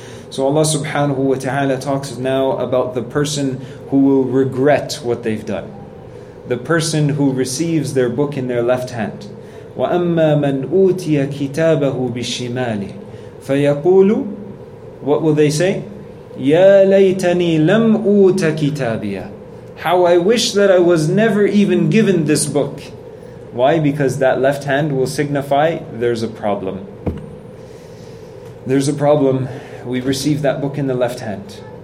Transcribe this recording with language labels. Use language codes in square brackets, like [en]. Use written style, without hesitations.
[en] So Allah subhanahu wa ta'ala talks now about the person who will regret what they've done. The person who receives their book in their left hand. [ar] وَأَمَّا مَنْ أُوْتِيَ كِتَابَهُ بِالشِّمَالِهِ فَيَقُولُ, [en] what will they say? [ar] يَا لَيْتَنِي لَمْ أُوْتَ كِتَابِيَ, [en] how I wish that I was never even given this book. Why? Because that left hand will signify there's a problem. There's a problem. We receive that book in the left hand.